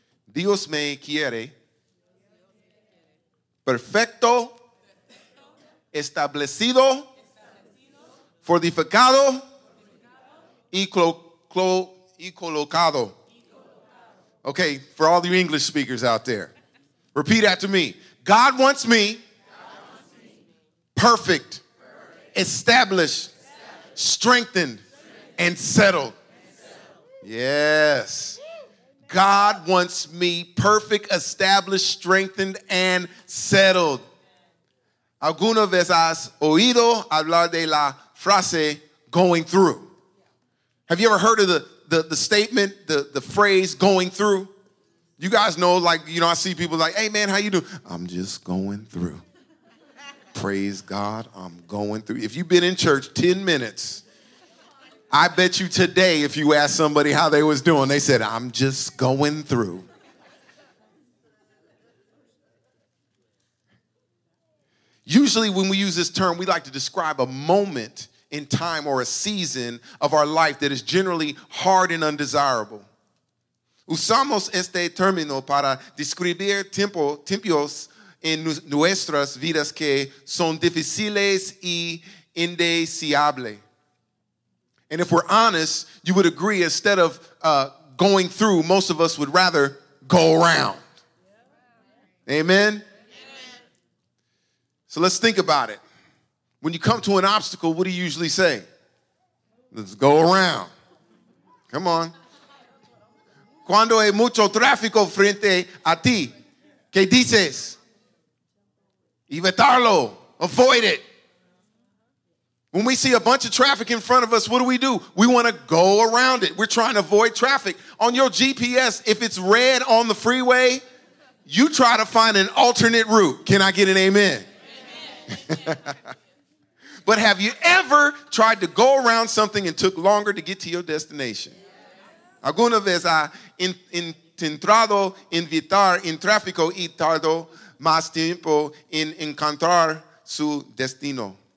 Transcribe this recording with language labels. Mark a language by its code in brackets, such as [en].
[es] Dios me quiere perfecto, establecido, fortificado y colocado. [en] Okay, for all you English speakers out there, repeat after me. God wants me perfect, established, strengthened, and settled. Yes. God wants me perfect, established, strengthened, and settled. [es] ¿Alguna vez has oído hablar de la frase [en] going through? Have you ever heard of the statement, the phrase going through? You guys know, like, you know, I see people like, hey, man, how you doing? I'm just going through. Praise God, I'm going through. If you've been in church 10 minutes, I bet you today, if you ask somebody how they was doing, they said, I'm just going through. Usually when we use this term, we like to describe a moment in time or a season of our life that is generally hard and undesirable. [es] Usamos este término para describir tiempos en nuestras vidas que son difíciles y indeseables. [en] And if we're honest, you would agree, instead of going through, most of us would rather go around. Amen? Amen? So let's think about it. When you come to an obstacle, what do you usually say? Let's go around. Come on. [es] Cuando hay mucho tráfico frente a ti, ¿qué dices? Evitarlo. [en] Avoid it. When we see a bunch of traffic in front of us, what do? We want to go around it. We're trying to avoid traffic. On your GPS, if it's red on the freeway, you try to find an alternate route. Can I get an amen? Amen. But have you ever tried to go around something and took longer to get to your destination? [es] Alguna vez ha intentado evitar en tráfico y tardó más tiempo en encontrar su destino.